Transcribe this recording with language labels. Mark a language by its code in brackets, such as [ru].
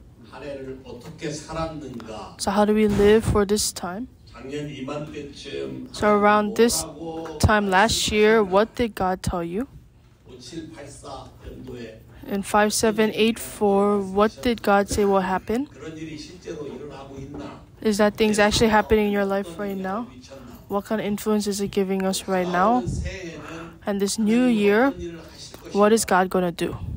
[ko] 한해를 어떻게 살았는가? [en] So how do we live for this time? [ko] 작년 이맘때쯤 [en] So around this time last year, what did God tell you? [ko] 5784 연도에 [en] In 5784, what did God say will happen? [ko] 그런 일이 실제로 일어나고 있나? [en] Is that things actually happening in your life right now? What kind of influence is it giving us right now? And this new year, what is God going to do?